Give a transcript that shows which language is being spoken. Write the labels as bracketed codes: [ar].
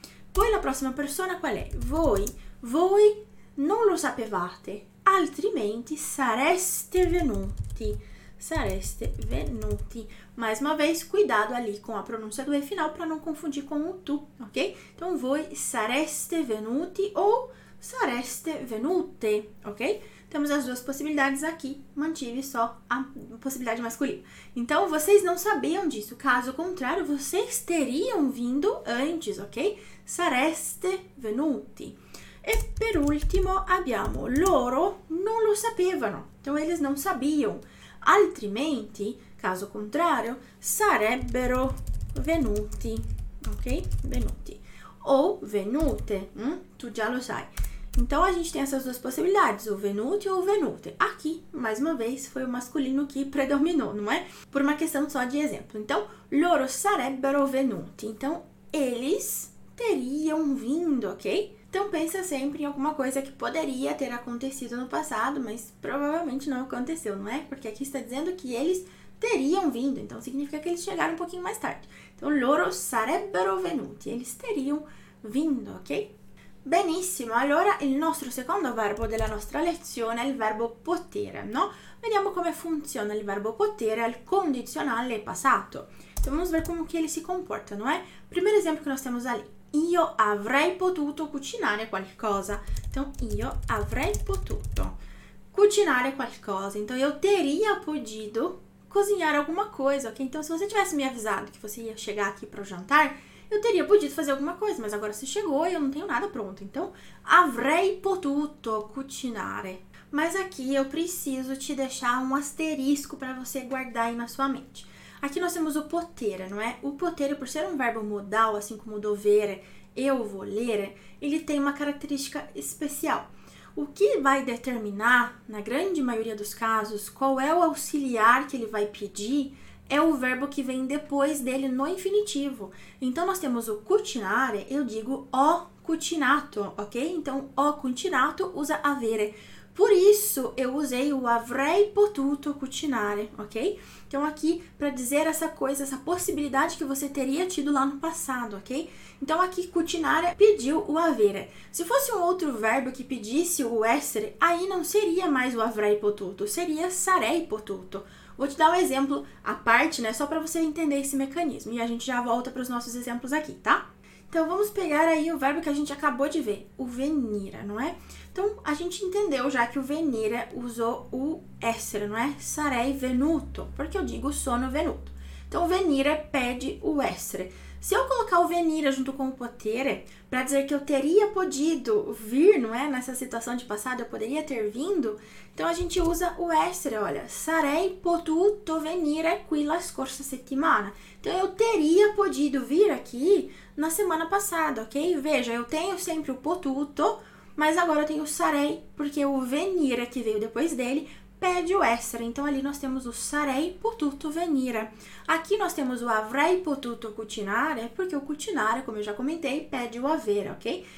[it] Poi la prossima persona qual è? Voi non lo sapevate, altrimenti sareste venuti. Sareste venuti. [pt] Mais uma vez, cuidado ali com a pronúncia do E final para não confundir com o tu, ok? Então, voi sareste venuti ou sareste venute, ok? Temos as duas possibilidades aqui, mantive só a possibilidade masculina. Então, vocês não sabiam disso, caso contrário, vocês teriam vindo antes, ok? [it] Sareste venuti. E per ultimo abbiamo loro non lo sapevano, [pt] então eles não sabiam. [it] Altrimenti, caso contrario, sarebbero venuti, ok? Venuti. Ou venute, tu già lo sai. [pt] Então, a gente tem essas duas possibilidades, o venuti ou venute. Aqui, mais uma vez, foi o masculino que predominou, não é? Por uma questão só de exemplo. [it] Então, loro sarebbero venuti. [pt] Então, eles teriam vindo, ok? Então, pensa sempre em alguma coisa que poderia ter acontecido no passado, mas provavelmente não aconteceu, não é? Porque aqui está dizendo que eles teriam vindo, então significa que eles chegaram um pouquinho mais tarde. Então, [it] loro sarebbero venuti, [pt] eles teriam vindo, ok? [it] Benissimo, allora il nostro secondo verbo della nostra lezione è il verbo potere, no? Vediamo come funziona il verbo potere al condizionale passato. [pt] Então, vamos ver come ele si comporta, não é? Primeiro exemplo que nós temos ali. [it] Io avrei potuto cucinare qualcosa. Então, io avrei potuto cucinare qualcosa. [pt] Então, io teria podido cozinhar alguma coisa, ok? Então, se você tivesse me avisado que você ia chegar aqui para o jantar, eu teria podido fazer alguma coisa, mas agora você chegou e eu não tenho nada pronto. Então, [it] avrei potuto cucinare. [pt] Mas aqui eu preciso te deixar um asterisco para você guardar aí na sua mente. Aqui nós temos o potere, não é? O potere, por ser um verbo modal, assim como dovere, eu vou ler, ele tem uma característica especial. O que vai determinar, na grande maioria dos casos, qual é o auxiliar que ele vai pedir, é o verbo que vem depois dele no infinitivo. Então, nós temos o cucinare, eu digo [it] ho cucinato, [pt] ok? Então, ho cucinato usa avere. Por isso, eu usei o [it] avrei potuto cucinare, [pt] ok? Então, aqui, para dizer essa coisa, essa possibilidade que você teria tido lá no passado, ok? Então, aqui, cucinare pediu o avere. Se fosse um outro verbo que pedisse o essere, aí não seria mais o [it] avrei potuto, [pt] seria [it] sarei potuto. [pt] Vou te dar um exemplo à parte, né, só para você entender esse mecanismo. E a gente já volta para os nossos exemplos aqui, tá? Então, vamos pegar aí o verbo que a gente acabou de ver, o venire, não é? Então, a gente entendeu já que o venire usou o essere, não é? [it] Sarei venuto, [pt] porque eu digo [it] sono venuto. [pt] Então, o venire pede o essere. Se eu colocar o venire junto com o potere, para dizer que eu teria podido vir, não é? Nessa situação de passado, eu poderia ter vindo. Então, a gente usa o essere, olha. [it] Sarei potuto venire qui la scorsa settimana. [pt] Então, eu teria podido vir aqui na semana passada, ok? Veja, eu tenho sempre o potuto, mas agora eu tenho o [it] sarei, [pt] porque o venire que veio depois dele pede o essere. Então, ali nós temos o [it] sarei potuto venire. [pt] Aqui nós temos o [it] avrei potuto cucinare, [pt] porque o cucinare, como eu já comentei, pede o avere, ok?